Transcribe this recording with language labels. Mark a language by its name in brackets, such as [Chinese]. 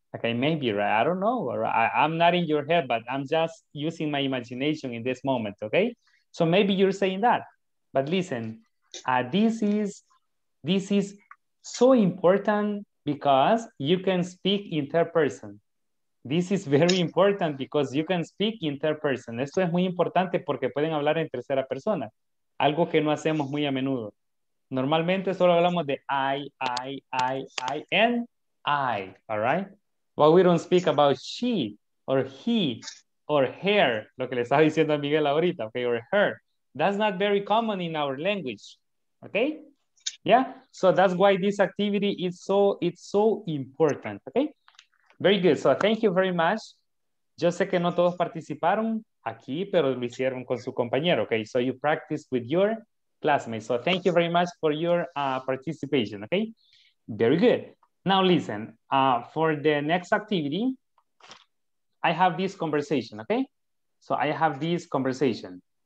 [English] Okay, maybe, right? I don't know. Or I'm not in your head, but I'm just using my imagination in this moment, okay? So maybe you're saying that. But listen, this is so important because you can speak interperson. This is very important because you can speak interperson. [Spanish] Esto es muy importante porque pueden hablar en tercera persona. Algo que no hacemos muy a menudo. Normalmente solo hablamos de I, [English] and I, all right? But we don't speak about she, or he, or her, [Spanish] lo que le estaba diciendo a Miguel ahorita, [English] okay, or her. That's not very common in our language, okay? Yeah, so that's why this activity is so important, okay? Very good, so thank you very much. [Spanish] Yo sé que no todos participaron aquí, pero lo hicieron con su compañero, okay? [English] So you practice with your classmates. So thank you very much for your participation, okay? Very good. Now listen, for the next activity, I have this conversation, okay? So I have this conversation.